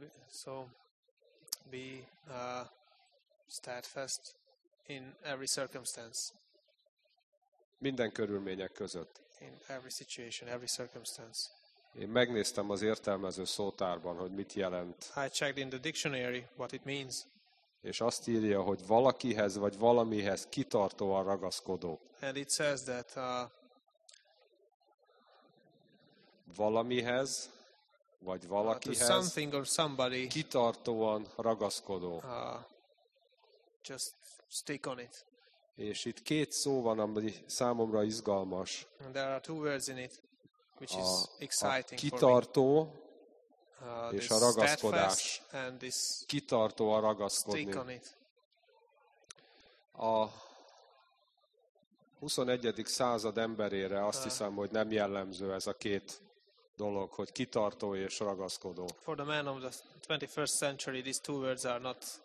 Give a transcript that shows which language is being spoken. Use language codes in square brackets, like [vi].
[en] So, be steadfast in every circumstance. [hu] Minden körülmények között. [en] In every situation, every circumstance. [hu] Én megnéztem az értelmező szótárban, hogy mit jelent. [en] I checked in the dictionary what it means. [hu] És azt írja, hogy valakihez vagy valamihez kitartóan ragaszkodó. [en] And it says that [hu] valamihez vagy valakihez [en] to something or somebody [hu] kitartóan ragaszkodó. [en] Just stick on it. [hu] És itt két szó van, ami számomra izgalmas. [en] There are two words in it. which is exciting. [hu] Kitartó és a ragaszkodás. [en] And this [hu] kitartó a ragaszkodni. [en] Stick on it. [hu] A 21. század emberére azt hiszem, hogy nem jellemző ez a két dolog, hogy kitartó és ragaszkodó. [en] For the man of the 21st century, these two words are not.